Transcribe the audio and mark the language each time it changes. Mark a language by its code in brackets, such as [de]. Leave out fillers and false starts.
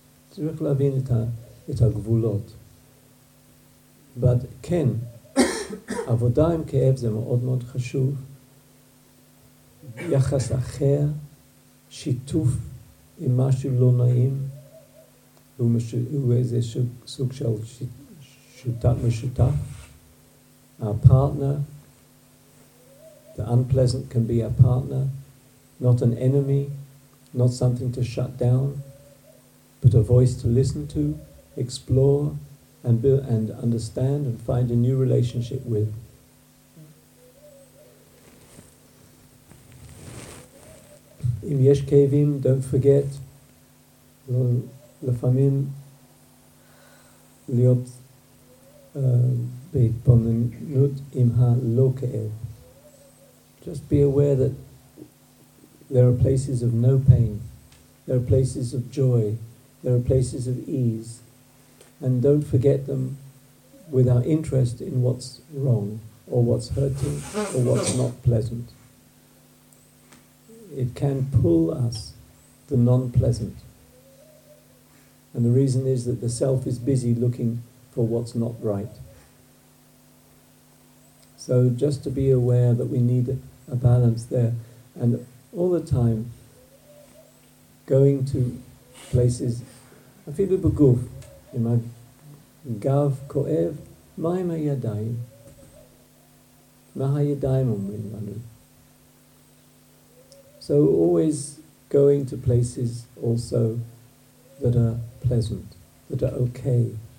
[he] צריך להבין את, את הגבולות. אבל כן, עבודה עם כאב זה מאוד מאוד חשוב. יחס אחר, שיתוף עם משהו לא נעים, הוא, איזשהו סוג של שותף משותף. [en] Our partner, the unpleasant can be our partner, not an enemy, not something to shut down, but a voice to listen to, explore, and build, and understand and find a new relationship with. [he] אם יש כאבים, [en] don't forget, [he] לפעמים להיות בהתבוננות עם הלא כאב. [en] Just be aware that there are places of no pain, there are places of joy, there are places of ease, and don't forget them with our interest in what's wrong, or what's hurting, or what's not pleasant. It can pull us the non-pleasant. And the reason is that the self is busy looking for what's not right. So just to be aware that we need a balance there. And all the time, going to places, [he] אפילו בגוף, אם הגב כואב, מה עם הידיים? מה הידיים אומרים לנו? [en] So always going to places also that are pleasant, that are okay.